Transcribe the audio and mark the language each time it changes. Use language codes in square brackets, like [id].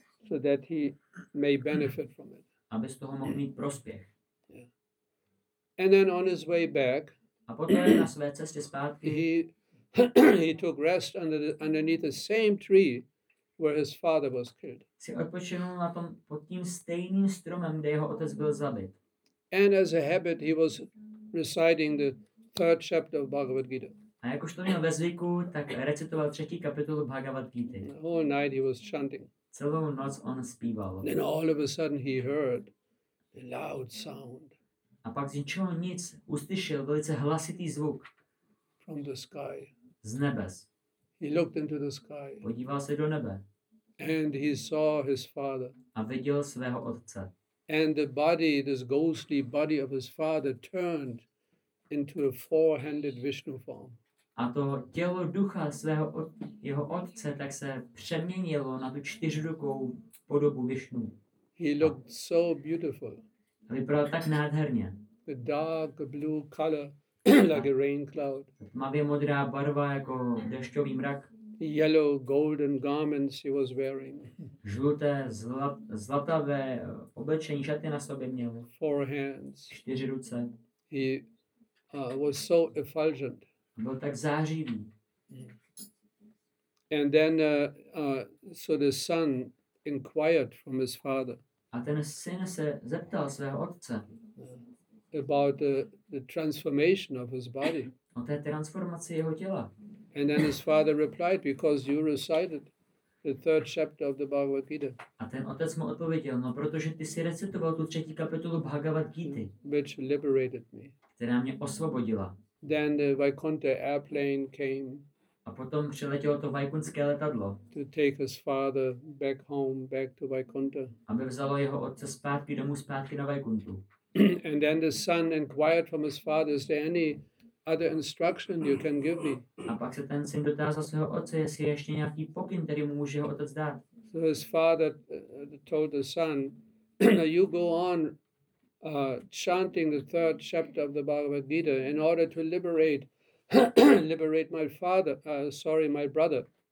[en] So that he may benefit from it. [cs] Aby z toho mohl mít prospěch. [en] Yeah. And then on his way back. [cs] A potom na své cestě zpátky. [en] He took rest underneath the same tree where his father was killed. [cs] Si odpočinul na tom pod tím stejným stromem, kde jeho otec byl zabit. [en] And as a habit, he was reciting the third chapter of Bhagavad Gita. [cs] A jakož to měl ve zvyku, tak recitoval třetí kapitolu Bhagavad Gita. [en] All night he was chanting. [cs] Celou noc on zpíval. [en] Then all of a sudden he heard a loud sound. [cs] A pak z ničeho nic uslyšel velice hlasitý zvuk. [en] From the sky. [cs] Z nebes. [en] He looked into the sky. [cs] Podíval se do nebe. [en] And he saw his father. [cs] A viděl svého otce. [en] And the body, this ghostly body of his father turned into a four-handed Vishnu form. [cs] A to tělo ducha svého jeho otce tak se přeměnilo na tu čtyřrukou podobu Vishnu. [en] He looked so beautiful. [cs] A vypadal tak nádherně. [en] The dark blue color like a rain cloud. [cs] Tmavě modrá barva jako dešťový mrak. [en] Yellow golden garments he was wearing. [cs] Žluté zlatavé oblečení, šaty na sobě měl. [en] Four hands. [cs] Čtyři ruce. [en] He was so effulgent. [cs] Byl tak zářivý. [en] And then so the son inquired from his father. [cs] A ten syn se zeptal svého otce. [en] About the transformation of his body. [cs] O té transformaci jeho těla. [en] And then his father replied, because you recited the third chapter of the Bhagavad Gita. [cs] A ten otec mu odpověděl, no protože ty si recitoval tu třetí kapitolu Bhagavad Gita, [en] which liberated me. [cs] Která mě osvobodila. [en] Then the Vaikuntha airplane came. [cs] A potom přiletělo to vaikunské letadlo. [en] To take his father back home, back to Vaikuntha. [cs] Aby vzalo jeho otce zpátky domů, zpátky na Vaikuntu. [en] And then the son inquired from his father, is there any other instruction you can give me? [cs] A pak se ten syn dotázal svého otce, jestli je ještě nějaký pokyn, který mu může jeho otec dát. [en] So his father told the son, now you go on chanting the third chapter of the Bhagavad Gita in order to liberate my father, my brother.